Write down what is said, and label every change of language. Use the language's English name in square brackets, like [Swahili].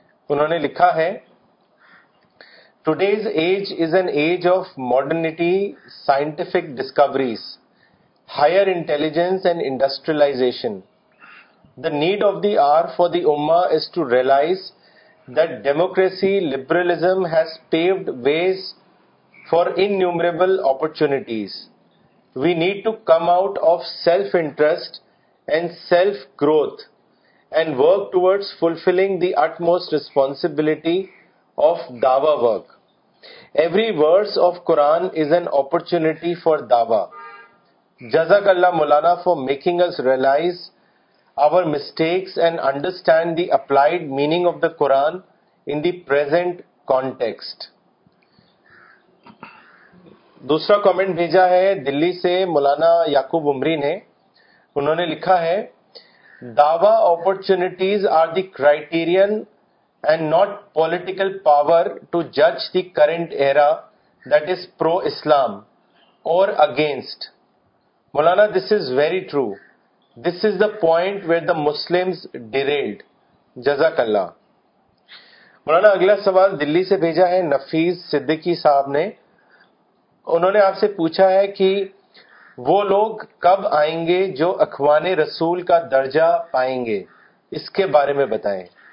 [Urdu] انہوں نے لکھا ہے, [English] Today's age is an age of modernity, scientific discoveries, higher intelligence and industrialisation. The need of the hour for the اما is to realise that democracy, liberalism has paved ways for innumerable opportunities. We need to come out of self-interest and self-growth and work towards fulfilling the utmost responsibility of dawa work. Every verse of Quran is an opportunity for dawa. Jazakallah Maulana for making us realize our mistakes and understand the applied meaning of the Quran in the present context. [Urdu] دوسرا comment بھیجا ہے دلی سے مولانا یعقوب عمری نے. انہوں نے لکھا ہے, [English] دعوی opportunities are the criterion and not political power to judge the current era that is pro-Islam or against. مولانا this is very true. This is the point where the Muslims derailed. Jazakallah. [Urdu] مولانا اگلا سوال دلی سے بھیجا ہے نفیس صدیقی صاحب نے. انہوں نے آپ سے پوچھا ہے کہ وہ لوگ کب آئیں گے جو اخوان رسول کا درجہ پائیں گے, اس کے بارے میں بتائیں.